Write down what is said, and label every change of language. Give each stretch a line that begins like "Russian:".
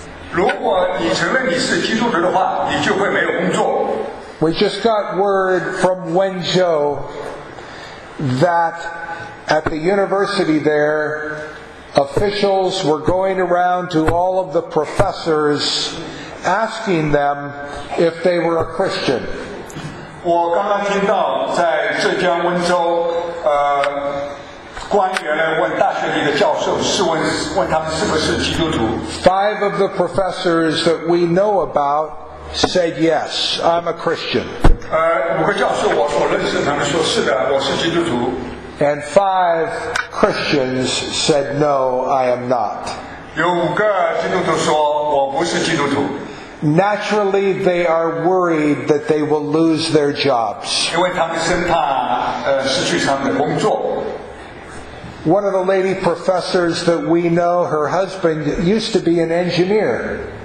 English: We just got word from Wenzhou that at the university there, officials were going around to all of the professors asking them if they were a Christian. Five of the professors that we know about said yes, I'm a Christian.
Chinese: 五个教授说我认识他们说是的，我是基督徒。
English: And five Christians said no, I am not.
Chinese: 有五个基督徒说我不是基督徒。
English: Naturally, they are worried that they will lose their jobs.
Chinese: 因为他们生怕失去他们的工作。
English: One of the lady professors that we know, her husband used to be an engineer.